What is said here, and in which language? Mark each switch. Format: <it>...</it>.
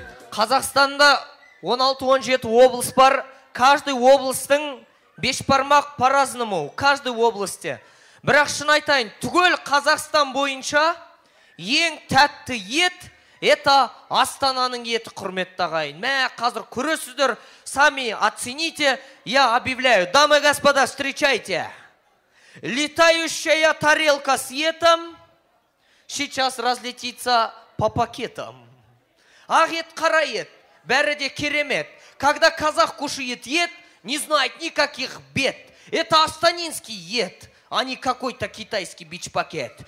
<kk>Казахстанда 16-17 облыс бар. Каждый облыстың беш бармақ паразынымы. Каждый облысте. Бірақ шын айтайын, түгел Казахстан бойынша ең тәтті ет, это Астананың еті, құрметті ағайын. Мә, қазір көресіздер,</kk> <ru>сами оцените, я объявляю. Дамы и господа, встречайте. Летающая тарелка с етом сейчас разлетится по пакетам.</ru> <kk>Ах, ет, қара ет, бәрі де керемет.</kk> <ru>Когда казах кушает ет, не знает никаких бед. Это астанинский ет, а не какой-то китайский бич-пакет.</ru>